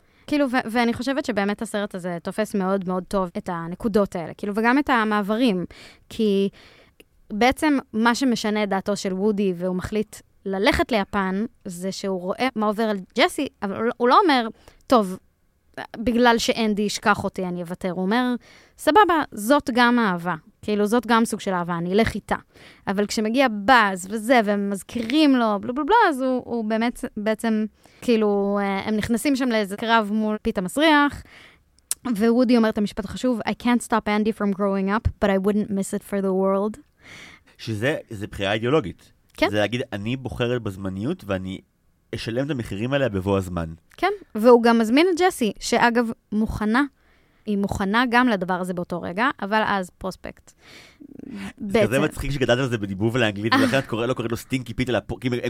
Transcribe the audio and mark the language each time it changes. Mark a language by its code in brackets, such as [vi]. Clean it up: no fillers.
[he] כאילו, ואני חושבת שבאמת הסרט הזה תופס מאוד מאוד טוב את הנקודות האלה, כאילו, וגם את המעברים, כי בעצם מה שמשנה דעתו של וודי, והוא מחליט ללכת ליפן, זה שהוא רואה מה עובר על ג'סי, אבל הוא לא אומר, טוב, בגלל שאנדי ישכח אותי, אני אבטר, הוא אומר, סבבה, זאת גם אהבה, כאילו, זאת גם סוג של אהבה, אני אלך איתה. אבל כשמגיע באז וזה, ומזכירים לו, בלו בלו בלו, אז הוא באמת, בעצם... כאילו, הם נכנסים שם לאיזה קרב מול פית המסריח, ווודי אומר את המשפט החשוב, [en] I can't stop Andy from growing up, but I wouldn't miss it for the world. [he] שזה, זה בחירה אידיאולוגית. כן. זה להגיד, אני בוחרת בזמניות, ואני אשלם את המחירים עליה בבוא הזמן. כן, והוא גם מזמין את ג'סי, שאגב, מוכנה, היא מוכנה גם לדבר הזה באותו רגע, אבל אז פרוספקט. זה כזה מצחיק שגדלת על זה בדיבוב לאנגלית, ולכן את קוראת לו, קוראת לו סטינקי פיט, כי